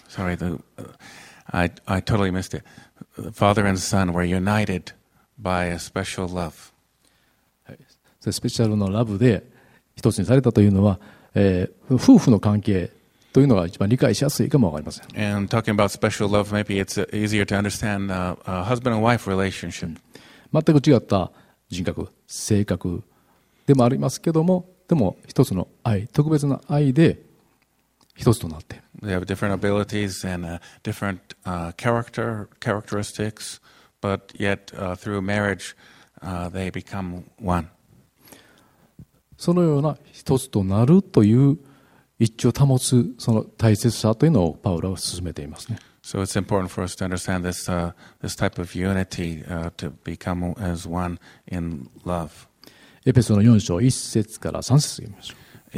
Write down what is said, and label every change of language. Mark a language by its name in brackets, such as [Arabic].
[English] I totally missed it. The Father and Son were united by a special love. So special [Japanese] の [English] love [Japanese] で一つにされたというのは。夫婦の関係というのが一番理解しやすいかもわかりません。 [English] And talking about special love, maybe it's easier to understand a husband and wife relationship. [Japanese] 全く違った人格、性格でもありますけども、でも一つの愛、特別な愛で一つとなって。 [English] They have different abilities and different characteristics, but yet through marriage, they become one. [Japanese] そのような一つとなるという一致を保つその大切さというのをパウロは進めていますね。 [English] So it's important for us to understand this, this type of unity, to become as one in love. [Japanese] エペソの4章1節から3節を読みましょう。